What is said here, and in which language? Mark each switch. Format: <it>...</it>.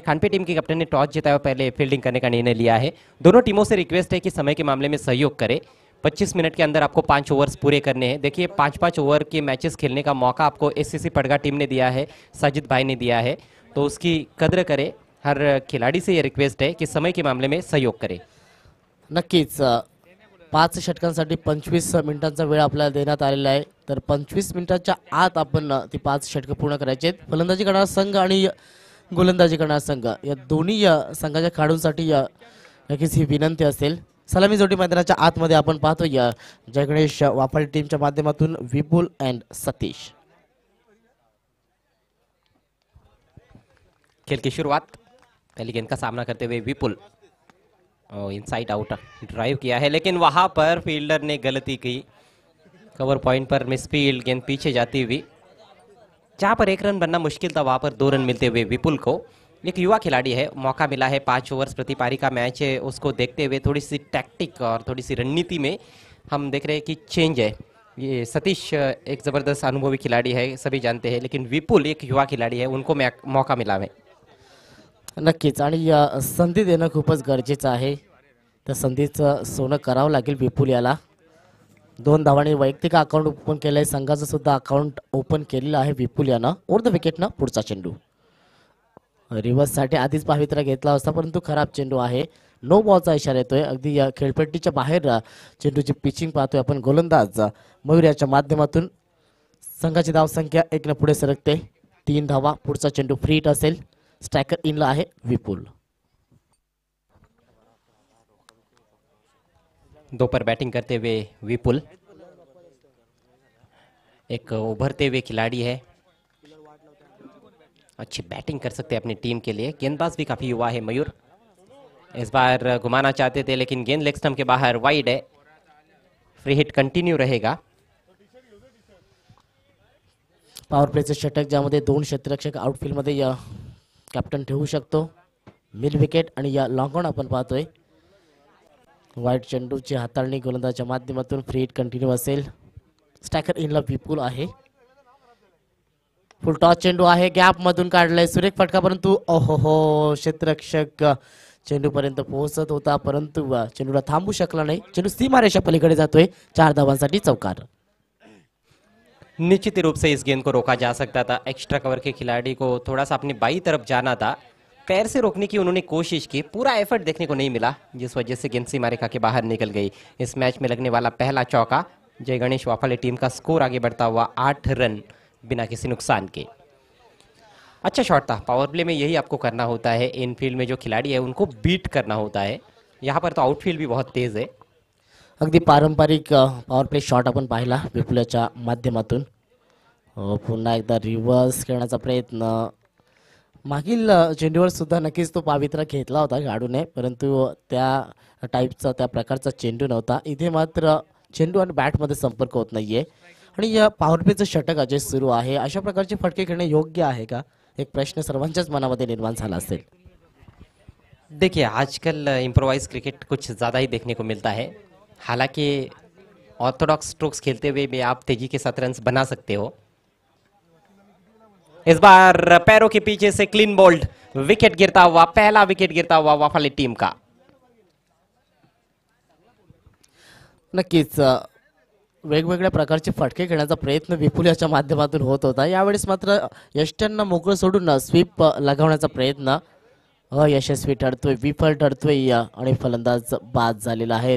<hi>खानपे team के कप्तान ने टॉस जिताया, पहले फील्डिंग करने का निर्णय लिया है। दोनों टीमों से रिक्वेस्ट है कि समय के मामले में सहयोग करें। 25 मिनट के अंदर आपको 5 ओवर्स पूरे करने हैं। देखिए, 5-5 ओवर के मैचेस खेलने का मौका आपको एससीसी पड़गा टीम ने दिया है, साजिद भाई ने दिया है, तो उसकी कद्र करें। हर खिलाड़ी से ये रिक्वेस्ट है कि समय के मामले में सहयोग करें।</hi> <mr>नक्कीच, 5 षटकांसाठी 25 मिनटांचा वेळ आपल्याला देण्यात आलेला आहे, तर 25 मिनिटांच्या आत आपण ती 5 षटक पूर्ण करायची आहेत। फलंदाजी करणारा संघ आणि गोलंदाजी करणारा संघ या दोन्ही संघाच्या खेळाडूंसाठी नक्कीच ही विनंती असेल। सलामी जोडी मैदानाच्या आतमध्ये आपण पाहतोय जय गणेश वाफाळे टीमच्या माध्यमातून विपुल अँड सतीश।</mr> <hi>खेल की शुरुआत, पहली गेंद का सामना करते हुए विपुल। इनसाइड आउट ड्राइव किया है, लेकिन वहां पर फील्डर ने गलती की, कवर पॉइंट पर मिसफील्ड, गेंद पीछे जाती हुई। जहां पर एक रन बनना मुश्किल था, वहां पर दो रन मिलते हुए विपुल को। एक युवा खिलाड़ी है, मौका मिला है, 5 ओवर्स प्रति पारी का मैच है, उसको देखते हुए थोड़ी सी टैक्टिक और थोड़ी सी रणनीति में हम देख रहे हैं कि चेंज है। ये सतीश एक जबरदस्त अनुभवी खिलाड़ी है, सभी जानते हैं, लेकिन विपुल एक युवा खिलाड़ी है, उनको मौका मिला है।</hi> <mr>नक्कीच, आणि संधी देणं खूपच गरजेचं आहे, तर संधीचं सोनं करावं लागेल विपुल याला। दोन धावांनी वैयक्तिक अकाउंट ओपन केलं आहे, संघाचं सुद्धा अकाउंट ओपन केलेलं आहे विपुल यानं। ओवर द विकेटनं पुढचा चेंडू, रिव्हर्ससाठी आधीच पावित्र घेतला असता, परंतु खराब चेंडू आहे, नो बॉलचा इशारा येतोय। अगदी खेळपट्टीच्या बाहेर चेंडूची पिचिंग पाहतोय आपण। गोलंदाज मयूर याच्या माध्यमातून संघाची धावसंख्या 1 ने पुढे सरकते, 3 धावा, पुढचा चेंडू फ्री हिट असेल, स्ट्रायकर इनला आहे विपुल।</mr> <hi>दोपर बैटिंग करते हुए विपुल, एक उभरते हुए खिलाड़ी है, अच्छी बैटिंग कर सकते हैं अपनी टीम के लिए। गेंदबाज भी काफी युवा है मयूर, इस बार घुमाना चाहते थे लेकिन गेंद लेग स्टंप के बाहर वाइड है, फ्री हिट कंटिन्यू रहेगा।</hi> <mr>पावर प्ले से षटक, ज्यामध्ये दोन क्षेत्ररक्षक आउटफील्ड मध्ये कॅप्टन ठेवू शकतो, मिड विकेट आणि या लॉन्ग ऑन आपण पाहतोय। व्हाईट चेंडूची हाताळणी गोलंदाजाच्या माध्यमातून, फ्री हिट कंटिन्यू असेल, स्ट्रायकर इनला विपुल आहे। फुल टॉस चेंडू आहे, गॅप मधून काढलाय सुरेख फटका, परंतु ओहो, क्षेत्ररक्षक चेंडूपर्यंत पोहोचत होता परंतु चेंडूला थांबू शकला नाही, चेंडू सीमारेषा पलीकडे जातोय, 4 धावांसाठी चौकार।</mr> <hi>निश्चित रूप से इस गेंद को रोका जा सकता था, एक्स्ट्रा कवर के खिलाड़ी को थोड़ा सा अपनी बाई तरफ जाना था, पैर से रोकने की उन्होंने कोशिश की, पूरा एफर्ट देखने को नहीं मिला, जिस वजह से गेंद सीमा रेखा के बाहर निकल गई। इस मैच में लगने वाला पहला चौका, जय गणेश वाफाले टीम का स्कोर आगे बढ़ता हुआ 8 रन बिना किसी नुकसान के। अच्छा शॉट था, पावर प्ले में यही आपको करना होता है, इनफील्ड में जो खिलाड़ी है उनको बीट करना होता है, यहाँ पर तो आउटफील्ड भी बहुत तेज है।</hi> <mr>अगदी पारंपरिक पॉवर प्ले शॉट आपण पाहिला विपुलाच्या माध्यमातून, पुन्हा एकदा रिव्हर्स खेळण्याचा प्रयत्न, मागील चेंडूवर सुद्धा नक्कीच तो पावित्र घेतला होता खेळाडूने, परंतु त्या टाईपचा त्या प्रकारचा चेंडू नव्हता। इथे मात्र चेंडू आणि बॅटमध्ये संपर्क होत नाही आहे, आणि या पॉवर प्लेचं षटक अजय सुरू आहे, अशा प्रकारचे फटके खेळणे योग्य आहे का, एक प्रश्न सर्वांच्याच मनामध्ये निर्माण झाला असेल।</mr> <hi>देखिए, आजकल इम्प्रोवाइज क्रिकेट कुछ ज़्यादा ही देखने को मिलता है, हालांकि ऑर्थोडॉक्स स्ट्रोक्स खेलते हुए भी आप तेजी के साथ रन्स बना सकते हो। इस बार पैरों के पीछे से क्लीन बोल्ड, विकेट गिरता हुआ, पहला विकेट गिरता हुआ वाफाले टीम का।</hi> <mr>नक्कीच, वेगवेगळ्या प्रकारचे फटके खेळण्याचा प्रयत्न विपुल याच्या माध्यमातून होत होता, यावेळेस मात्र यष्ट्यांना मोकळं सोडून स्वीप लगावण्याचा प्रयत्न अयशस्वी ठरतोय, विफल ठरतोय आणि फलंदाज बाद झालेला आहे।</mr>